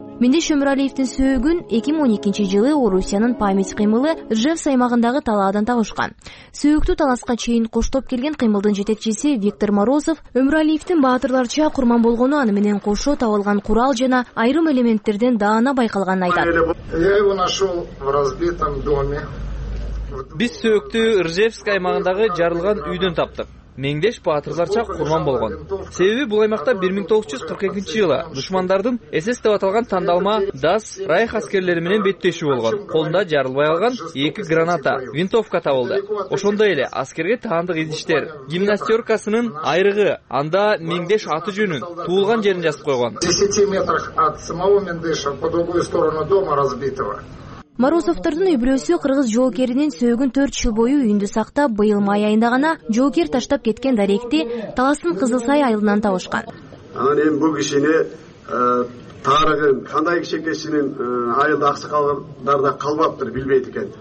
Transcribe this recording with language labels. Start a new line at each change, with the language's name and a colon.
Kyrgyz: Мендеш Өмүралиевдин сөөгүн 2012 жылы Орусиянын память кыймылы Ржевск аймагындагы талаадан табышкан. Сөөктү Таласка чейин коштоп келген кыймылдын жетекчиси Виктор Морозов Өмүралиевдин баатырларча курман болгону аны менен кошо табылган курал жана айрым элементтерден даана байкалганын айтат.
Russian: Я его нашел в разбитом доме.
Kyrgyz: Биз сөөктү Ржевск аймагындагы жарылган үйдөн таптык. Мендеш баатырларча курман болгон. Себеби бул аймакта 1942 жылы душмандардын СС деп аталган тандалма ДАС Райх аскерлери менен беттешүү болгон. Колунда жарылбай алган 2 граната, винтовка табылды. Ошондой эле аскерге таандык идиштер, гимнастеркасынын айрыгы, анда Мендеш аты жөнүн, туулган жерин жазып койгон.
Russian: 10 метрах от самого Мендеша по другую сторону дома разбитого.
Kyrgyz: Морозовтордун үй бүлөсү кыргыз жоокеринин сөөгүн 4 жыл бою үйүндө сактап, быйыл май айында гана жоокер таштап кеткен даректи Таластын Кызылсай айылынан табышкан. Анан эми бул кишини тарыгын, кандай киши экенин айылда аксакалдарда калбаптыр, билбейт экен.